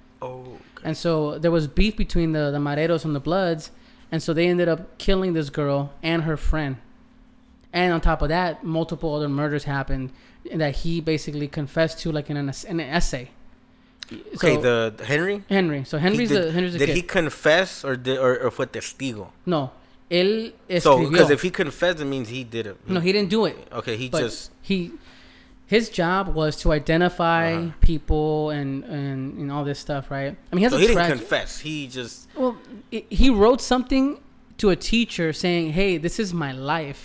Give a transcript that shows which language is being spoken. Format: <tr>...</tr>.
<en>Oh, okay. And so there was beef between the mareros and the bloods. And so they ended up killing this girl and her friend. And on top of that, multiple other murders happened that he basically confessed to like in an essay. Okay, so, the Henry? Henry. So Henry's the Henry's did a kid. Did he confess or</en> <es>fue testigo? No. Él escribió.</es> <en>So, because if he confessed, it means he did it. No, he didn't do it. Okay, he but just... His job was to identify uh-huh. people and all this stuff, right? I mean, he has so a he didn't confess. He just... Well, he wrote something to a teacher saying, hey, this is my life.</en>